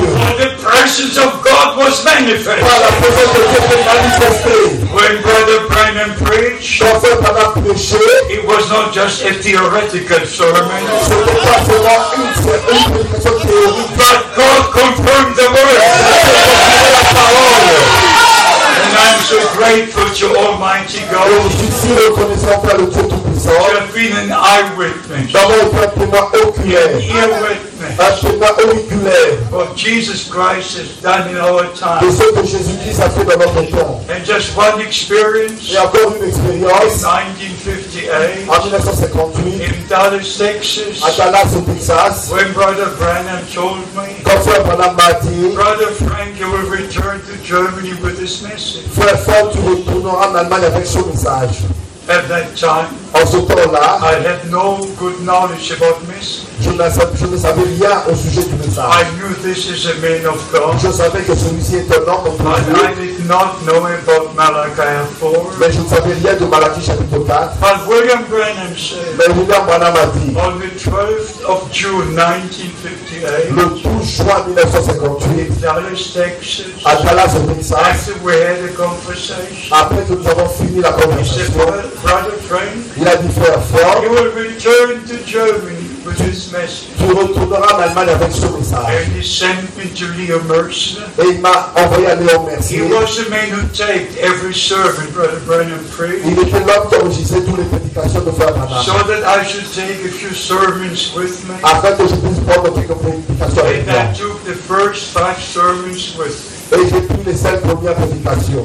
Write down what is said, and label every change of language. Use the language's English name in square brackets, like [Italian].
[English] For the presence of God was manifest. [French] Par la présence de Dieu était manifestée. [English] When Brother Branham preached, [French] quand Frère Branham prêchait, [English] it was not just a theoretical sermon. [French] C'était pas seulement une prédication théorique. [English] But God confirmed the word. [French] Dieu confirmait la parole. [English] I'm so grateful to Almighty God. [French] Je suis si reconnaissant à le Dieu Tout-Puissant. [English] You have been an eyewitness. [French] D'avoir été un témoin oculaire. [English] An earwitness. [French] Un témoin auriculaire. [English] What Jesus Christ has done in our time. [French] De ce que Jésus-Christ a fait dans notre temps. [English] And just one experience. [French] Et encore une expérience. [English] In 1958. [French] En 1958. [English] In Dallas, Texas. [French] À Dallas, au Texas. [English] When Brother Branham told me. [French] Quand Frère Branham m'a dit. [English] Brother Frank, you will return to Germany with this message. [French] Frère Fort, tu retourneras en Allemagne avec ce message. [English] At that time, [French] en ce temps-là, [English] I had no good knowledge about message. [French] Je ne savais rien au sujet du message. [English] I knew this is a man of God. [French] Je savais que celui-ci est un homme de Dieu. [English] I did not know about Malachi 4. [French] Mais je ne savais rien de Malachi chapitre 4. [English] But William Branham said, [French] mais William Branham a dit, [English] on the 12th of June 1958, [French] le 12 juin 1958, [English] in Dallas, Texas, [French] à Dallas, au Texas, [English] after we had a conversation, [French] après que nous avons fini la conversation, [English] Brother Frank, [French] il a dit, Frère Fort, [English] you will return to Germany with [French] Tu retourneras en Allemagne avec ce message. [English] And he sent me to Leo Mercer. [French] Et il m'a envoyé à Leo Mercer. [English] He was the man who taped every servant, Brother Branham preached. [French] Il était l'homme qui enregistrait toutes les prédications de Frère Branham. [English] So that I should take a few sermons with me. [French] Afin que je puisse prendre quelques prédications avec moi. [English] And I took the first five sermons with me. [French] Et j'ai pris les 5 premières prédications